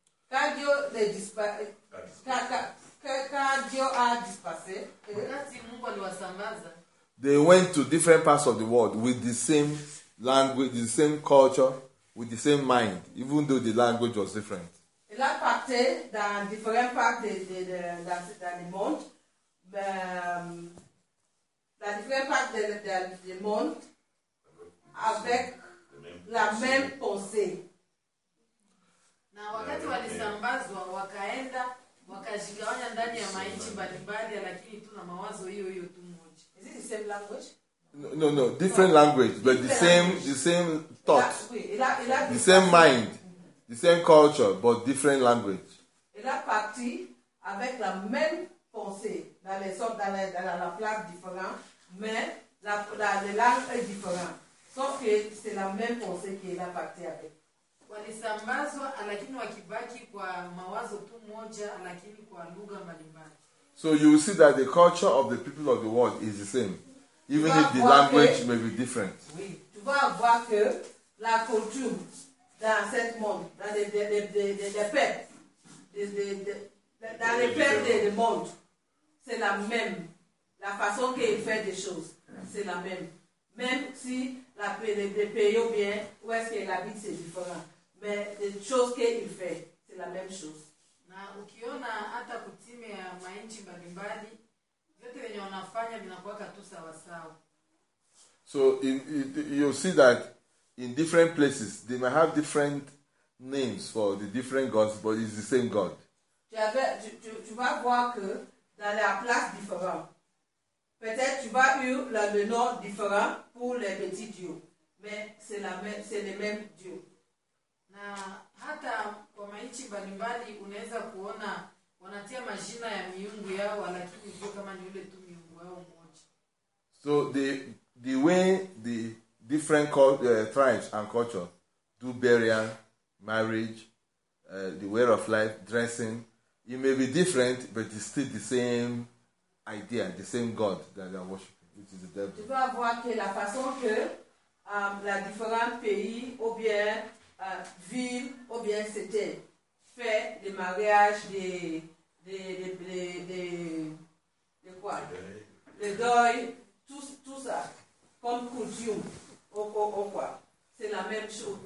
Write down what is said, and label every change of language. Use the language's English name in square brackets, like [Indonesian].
[French] quand Dieu les dispersé, quand Dieu a dispersé, [Swahili] et Mungu aliwasambaza. [English] They went to different parts of the world with the same language, the same culture, with the same mind, even though the language was different. [French] Il a parté dans différentes parts de monde, dans différentes parts de monde avec la même pensée. [Swahili] Na wakati walisambazwa wakaenda wakajigawanya ndani ya maichi mbalimbali lakini tu na mawazo hiyo hiyo tu. [English] Same language? No, different language, but the same thought, the same mind, the same culture, but different language. [French] Il a parti avec la même pensée dans les sortes dans la place différente, mais la langue est différente. Sauf que c'est la même pensée qu'il a parti avec. [Swahili] Walisambazwa alakini wakibaki kwa mawazo tu moja alakini kwa lugha mbalimbali. [English] So you will see that the culture of the people of the world is the same, even if the language may be different. [French] Oui. Tu vas voir que la culture dans cet monde, dans le monde, c'est la même. La façon qu'il fait des choses, c'est la même. Même si la des pays ou bien où est-ce qu'elle habite, c'est différent. Mais les choses qu'il fait, c'est la même chose. [Swahili] Na ukiona hata kutime ya mainchi mbalimbali vyote venye wanafanya vinakuwa tu sawa sawa. [English] So in, you see that in different places they may have different names for the different gods, but it's the same God. [French] Tu vas voir que dans la place différent. Peut-être tu vas eu le nom différent pour les petits dieux, mais c'est la même, c'est le même Dieu. [Swahili] Na hata kwa maichi mbalimbali unaweza kuona wanatia majina ya miungu yao lakini sio kama ni yule tu miungu yao mmoja. [English] So the way the different tribes and culture do burial, marriage, the way of life, dressing, it may be different, but it's still the same idea, the same God that they are worshiping, which is the devil. [French] Tu vas voir que la façon que la différents pays ou bien ville ou bien cité fait des mariages, de quoi? Le deuil, tout ça, comme coutume. Ou quoi? C'est la même chose.